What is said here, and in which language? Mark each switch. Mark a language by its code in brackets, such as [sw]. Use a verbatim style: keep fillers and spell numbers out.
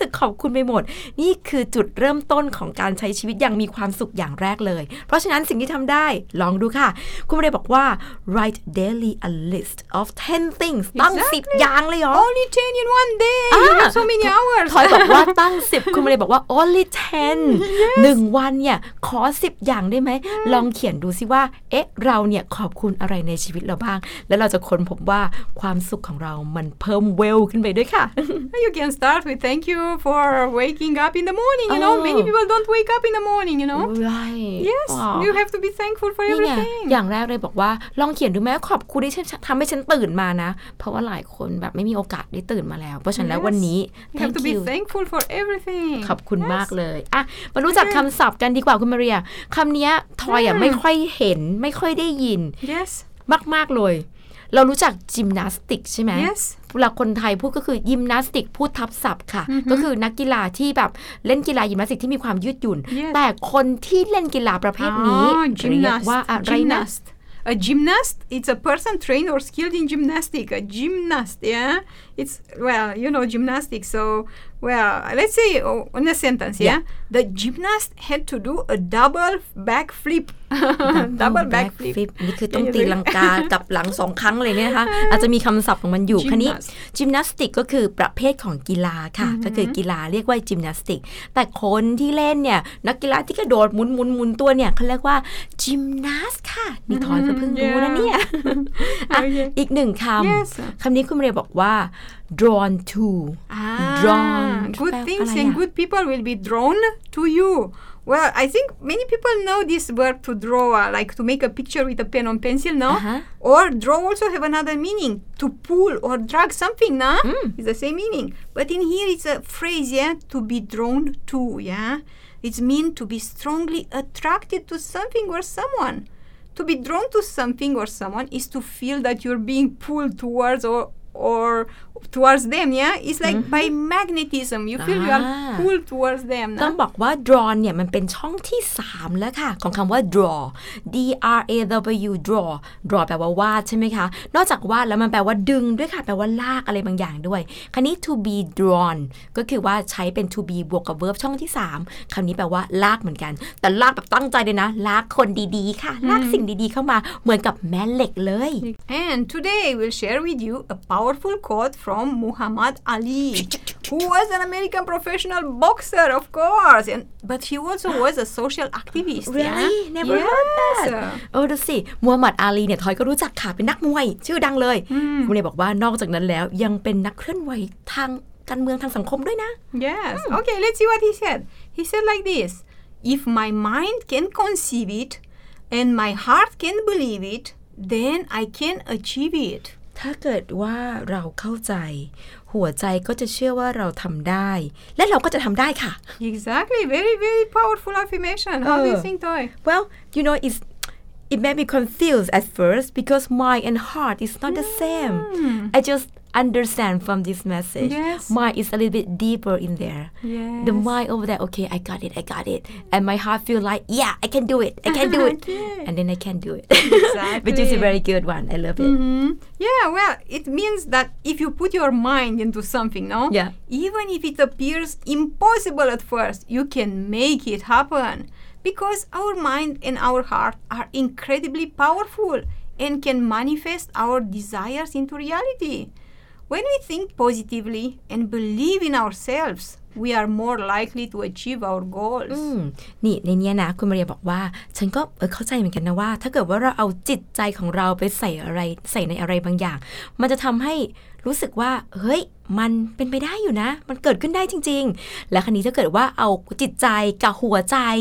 [th] สึกขอบคุณไปหมดนี่คือจุดเริ่มต้นของการใช้ชีวิตอย่างมีความสุขอย่างแรกเลยเพราะฉะนั้นสิ่งที่ทำได้ลองดูค่ะคุณมาเรย์บอกว่า [en] write daily a list of ten things [th] ตั้งสิบอย่างเลยเหรอ [en] only ten in one day you have so many hours [th] ทอยบอกว่าตั้งสิบคุณมาเรย์บอกว่า [en] only ten [th] หนึ่งวันเนี่ยขอสิบอย่างได้ไหมลองเขียนดูซิว่าเอ๊ะเราเนี่ยขอบคุณอะไรในชีวิตเราบ้างแล้วเราจะค้นพบว่าความสุขของเรามันเพิ่มเวลขึ้นไปด้วยค่ะ [en] You can start with thank you for waking up in the morning you know many people don't wake up in the morning you know right yes you have to be thankful for everything [th] อย่างแรกเลยบอกว่าลองเขียนดูไหมขอบคุณที่ฉันทำให้ฉันตื่นมานะเพราะว่าหลายคนแบบไม่มีโอกาสได้ตื่นมาแล้วเพราะฉะนั้นแล้ววันนี้ [en] have to be thankful for everything [th] ขอบคุณมากเลยอ่ะมารู้จักคำศัพท์กันดีกว่าคุณมาเรียคำนี้ทอยอ่ะไม่ค่อยเห็นไม่ค่อยได้ยิน [en] yes [th] มากๆเลยเรารู้จักยิมนาสติกใช่ไหม [en] yes [th] เราคนไทยพูดก็คือยิมนาสติกพูดทับศัพท์ค่ะ mm-hmm. ก็คือนักกีฬาที่แบบเล่นกีฬายิมนาสติกที่มีความยืดหยุ่น [en] yes. [th] แต่คนที่เล่นกีฬาประเภทนี้ oh, เรียกว่าอะไรนะ [en] A gymnast it's a person trained or skilled in gymnastics a gymnast yeah it's well you know gymnastics so well let's say oh, in a sentence yeah? yeah the gymnast had to do a double backflip [th] double backflip นี่คือต้องตีลังกากับหลังสองครั้งเลยเนี่ยนะคะอาจจะมีคำศัพท์ของมันอยู่คันนี้จิมนาสติกก็คือประเภทของกีฬาค่ะก็คือกีฬาเรียกว่าจิมนาสติกแต่คนที่เล่นเนี่ยนักกีฬาที่กระโดดหมุนหมุนหมุนตัวเนี่ยเขาเรียกว่าจิมนาสค่ะนี่ทอยก็เพิ่งรู้นะเนี่ยอีกหนึ่งคำคำนี้คุณเรย์บอกว่า drawn to [en] drawn good things and good people will be drawn to you Well, I think many people know this verb to draw, uh, like to make a picture with a pen or pencil, no? Uh-huh. Or draw also have another meaning, to pull or drag something, no? Mm. It's the same meaning. But in here it's a phrase, yeah, to be drawn to, yeah? It's mean to be strongly attracted to something or someone. To be drawn to something or someone is to feel that you're being pulled towards or or towards them yeah it's like mm-hmm. by magnetism you feel ah. you are pulled towards them [th] ต้องบอกว่า drawn เนี่ยมันเป็นช่องที่สามแล้วค่ะของคำว่า draw d r a w draw draw แปลว่าวาดใช่ไหมคะนอกจากวาดแล้วมันแปลว่าดึงด้วยค่ะแปลว่าลากอะไรบางอย่างด้วยคำนี้ to be drawn ก็คือว่าใช้เป็น to be บวกกับ verb ช่องที่สามคำนี้แปลว่าลากเหมือนกันแต่ลากแบบตั้งใจเลยนะลากคนดีๆค่ะ mm-hmm. ลากสิ่งดีๆเข้ามาเหมือนกับแม่เหล็กเลย [en] and today we'll share with you a powerful quote fromfrom Muhammad Ali who was an American professional boxer of course and but he also was a social activist really yeah? never yes. heard that [th] โอ้ดูสิมูฮัมหมัดอาลีเนี่ยทอยก็รู้จักค่ะเป็นนักมวยชื่อดังเลยคุณเนี่ยบอกว่านอกจากนั้นแล้วยังเป็นนักเคลื่อนไหวทางการเมืองทางสังคมด้วยนะ [en] yes hmm. okay let's see what he said he said like this if my mind can conceive it and my heart can believe it then I can achieve it ถ้าเกิดว่าเราเข้าใจหัวใจก็จะเชื่อว่าเราทำได้และเราก็จะทำได้ค่ะ Exactly very very powerful affirmation how do you think Toy Well you know it's it made me confused at first because mind and heart is not the same I just understand from this message yes. mind is a little bit deeper in there yes. the mind over there okay I got it I got it and my heart feel like yeah I can do it I can do it okay. and then I can do it exactly. which is a very good one I love it mm-hmm. yeah well it means that if you put your mind into something no yeah even if it appears impossible at first you can make it happen because our mind and our heart are incredibly powerful and can manifest our desires into reality When we think positively and believe in ourselves, we are more likely to achieve our goals. [th] อืมนี่ในเนี้ยนะคุณมาเรียบอกว่าฉันก็เออเข้าใจเหมือนกันนะว่าถ้าเกิดว่าเราเอาจิตใจของเราไปใส่อะไรใส่ในอะไรบางอย่างมันจะทำให้รู้สึกว่าเฮ้ยมันเป็นไปได้อยู่นะมันเกิดขึ้นได้จริงๆและคราวนี้ถ้าเกิดว่าเอาจิตใจกับหัวใจ